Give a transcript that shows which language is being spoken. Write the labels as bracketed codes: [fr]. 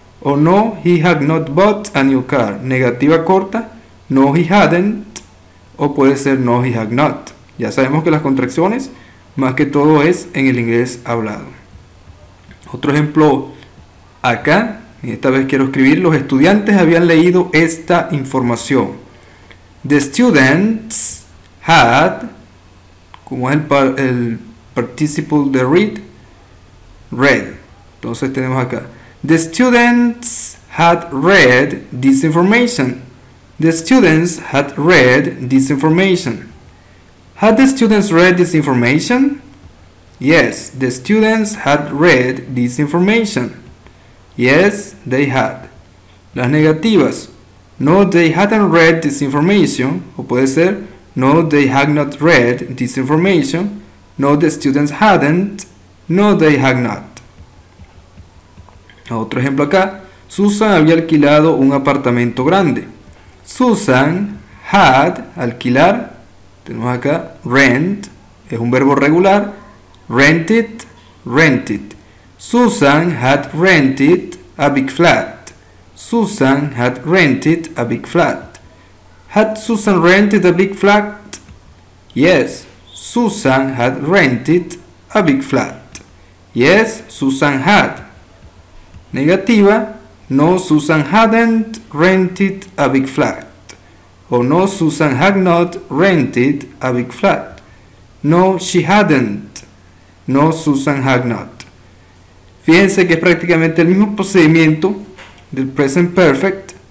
[en] O no, he had not bought a new car. [es] Negativa corta, [en] no, he hadn't. [es] O puede ser, [en] no, he had not. [es] Ya sabemos que las contracciones, más que todo, es en el inglés hablado. Otro ejemplo acá, y esta vez quiero escribir: los estudiantes habían leído esta información. [en] The students had, [es] como es el participle de [en] read, read. [es] Entonces tenemos acá: [en] the students had read this information. The students had read this information. Had the students read this information? Yes, the students had read this information. Yes, they had. [es] Las negativas: [en] no, they hadn't read this information. [es] O puede ser, [en] no, they had not read this information. No, the students hadn't. No, they had not. [es] Otro ejemplo acá: Susan había alquilado un apartamento grande. [en] Susan had, [es] alquilar. Tenemos acá, rent, es un verbo regular. [en] Rented, rented. Susan had rented a big flat. Susan had rented a big flat. Had Susan rented a big flat? Yes, Susan had rented a big flat. Yes, Susan had. Negativa: no, Susan hadn't rented a big flat. O no, Susan had not rented a big flat. No, she hadn't. No, Susan had not. [es] Fíjense que es prácticamente el mismo procedimiento del present perfect.